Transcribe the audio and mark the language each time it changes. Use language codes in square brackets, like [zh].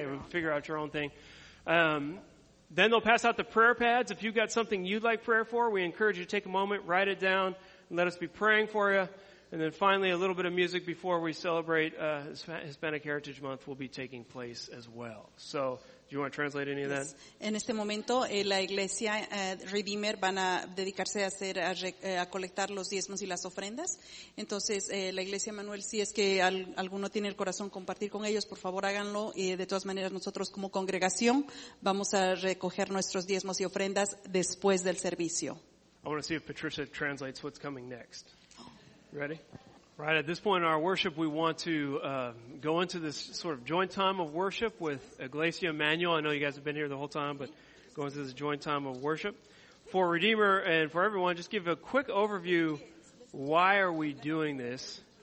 [en] Figure out your own thing. Then they'll pass out the prayer pads. If you've got something you'd like prayer for, we encourage you to take a moment, write it down, and let us be praying for you. And then finally, a little bit of music before we celebrate Hispanic Heritage Month will be taking place as well. So, do you want to translate any of that? [es] En este momento, la iglesia Redeemer van a dedicarse a hacer a colectar los diezmos y las ofrendas. Entonces, la iglesia Manuel, si es que alguno tiene el corazón compartir con ellos, por favor háganlo. Y de todas maneras, nosotros como congregación vamos a recoger nuestros diezmos y ofrendas después del servicio. [en] I want to see if Patricia translates what's coming next. Ready? Right, at this point in our worship, we want to go into this sort of joint time of worship with Iglesia Emmanuel. I know you guys have been here the whole time, but going into this joint time of worship. For Redeemer and for everyone, just give a quick overview. Why are we doing this?